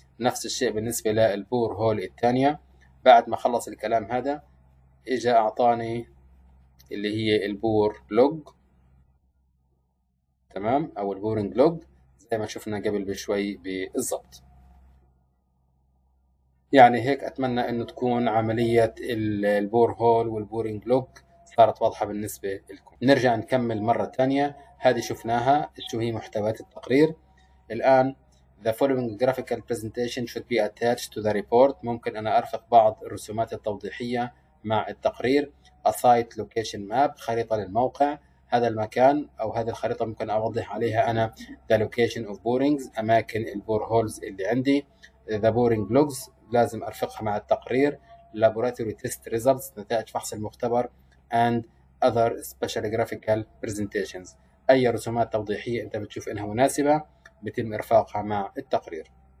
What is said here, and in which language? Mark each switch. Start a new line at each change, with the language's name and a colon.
Arabic: نفس الشيء بالنسبة للبور هول الثانية. بعد ما خلص الكلام هذا اجى اعطاني اللي هي البور لوج، تمام، او البورنج لوج زي ما شفنا قبل بشوي بالضبط. يعني هيك اتمنى انه تكون عملية البور هول والبورنج لوج صارت واضحة بالنسبة لكم. نرجع نكمل مرة ثانية، هذه شفناها شو هي محتويات التقرير.
English: الآن The following graphical presentation should be attached to the report.
Arabic: ممكن أنا أرفق بعض الرسومات التوضيحية مع التقرير.
English: A site location map،
Arabic: خريطة للموقع. هذا المكان أو هذه الخريطة ممكن أوضح عليها أنا
English: the location of borings،
Arabic: أماكن البور هولز اللي عندي.
English: The boring logs
Arabic: لازم أرفقها مع التقرير.
English: Laboratory test results،
Arabic: نتائج فحص المختبر.
English: And other special graphical presentations،
Arabic: أي رسومات توضيحية أنت بتشوف إنها مناسبة بتم إرفاقها مع التقرير.